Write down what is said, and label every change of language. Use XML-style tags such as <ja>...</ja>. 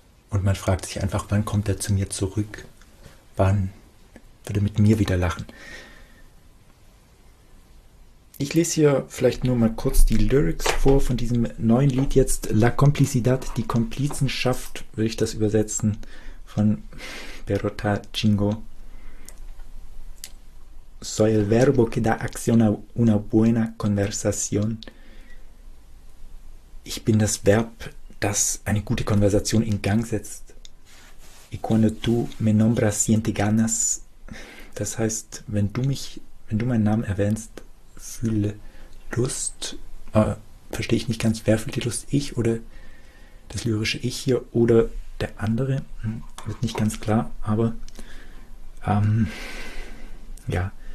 <de>Und man fragt sich einfach, wann kommt er zu mir zurück? Wann wird er mit mir wieder lachen? Ich lese hier vielleicht nur mal kurz die Lyrics vor von diesem neuen Lied jetzt. La Complicidad, die Komplizenschaft, würde ich das übersetzen, von Perota Jingo.</de> <es>Soy el verbo que da acción a una buena conversación.</es> <de>Ich bin das Verb, das eine gute Konversation in Gang setzt.</de> <es>Y cuando tú me nombras, siente ganas.</es> <de>Das heißt, wenn du meinen Namen erwähnst, fühle Lust. Verstehe ich nicht ganz, wer fühlt die Lust? Ich oder das lyrische Ich hier oder der andere? Wird nicht ganz klar, aber ja.</de>